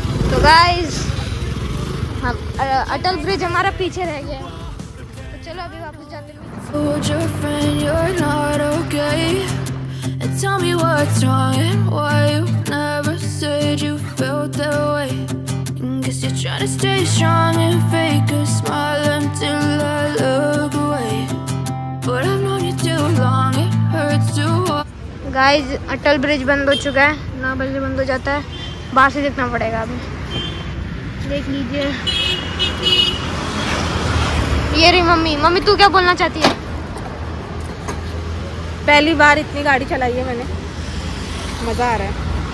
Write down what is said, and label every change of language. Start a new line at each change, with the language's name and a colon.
Hindi: So guys, अटल bridge हमारा पीछे रह गया, चलो अभी वापस जाते हैं।
English: Trying to stay strong and fake a smile until I look away. But I've known you too long, it hurts to walk.
Hindi: Guys, Atal bridge बंद हो चुका है, 9 बजे बंद हो जाता है, बाहर से देखना पड़ेगा। अभी देख लीजिए, ये रही मम्मी। मम्मी तू क्या बोलना चाहती है? पहली बार इतनी गाड़ी चलाई है मैंने, मज़ा आ रहा है।